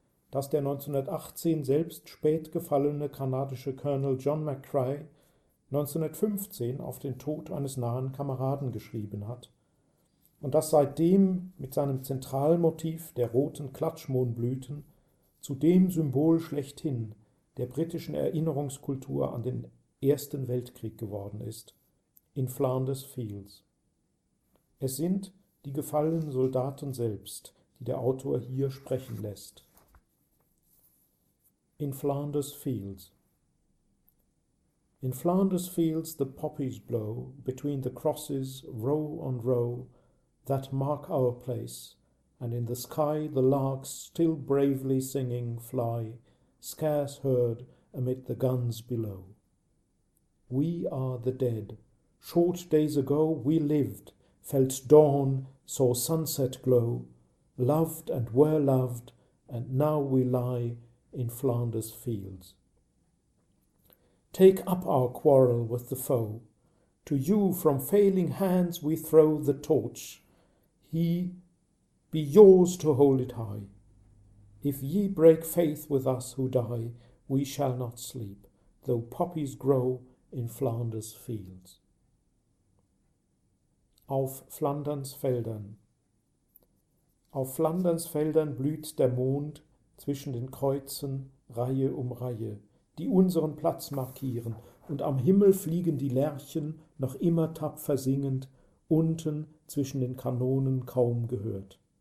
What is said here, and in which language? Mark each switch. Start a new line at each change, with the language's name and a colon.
German: das der 1918 selbst spät gefallene kanadische Colonel John McCrae 1915 auf den Tod eines nahen Kameraden geschrieben hat und das seitdem mit seinem Zentralmotiv der roten Klatschmohnblüten zu dem Symbol schlechthin der britischen Erinnerungskultur an den Ersten Weltkrieg geworden ist, In Flanders Fields. Es sind die gefallenen Soldaten selbst, die der Autor hier sprechen lässt.
English: In Flanders Fields. In Flanders Fields the poppies blow between the crosses row on row that mark our place, and in the sky the larks still bravely singing fly, scarce heard amid the guns below. We are the dead. Short days ago we lived, felt dawn, saw sunset glow, loved and were loved, and now we lie in Flanders fields. Take up our quarrel with the foe. To you from failing hands we throw the torch. He be yours to hold it high. If ye break faith with us who die, we shall not sleep, though poppies grow in Flanders fields.
German: Auf Flanderns Feldern. Auf Flanderns Feldern blüht der Mond zwischen den Kreuzen Reihe um Reihe, die unseren Platz markieren, und am Himmel fliegen die Lerchen noch immer tapfer singend, unten zwischen den Kanonen kaum gehört.